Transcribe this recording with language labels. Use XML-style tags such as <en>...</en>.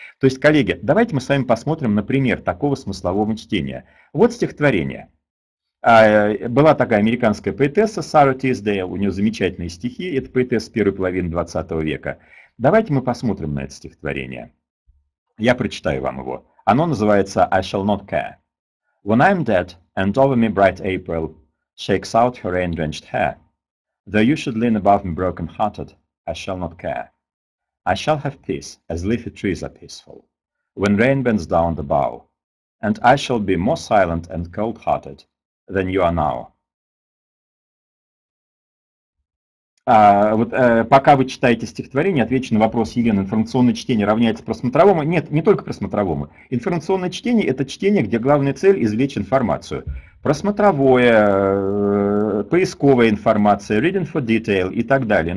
<ru>То есть, коллеги, давайте мы с вами посмотрим на пример такого смыслового чтения. Вот стихотворение. Была такая американская поэтесса Сара Тисдейл, у нее замечательные стихи, это поэтесса первой половины 20 века. Давайте мы посмотрим на это стихотворение. Я прочитаю вам его. Оно называется</ru> <en>«I shall not care». «When I'm dead, and over me bright April shakes out her rain-drenched hair, though you should lean above me broken-hearted, I shall not care. I shall have peace, as leafy trees are peaceful, when rain bends down the bough, and I shall be more silent and cold-hearted than you are now».</en> <ru>Пока вы читаете стихотворение, отвечу на вопрос Елены, информационное чтение равняется просмотровому? Нет, не только просмотровому. Информационное чтение – это чтение, где главная цель – извлечь информацию. Просмотровое, поисковая информация, reading for detail и так далее.</ru>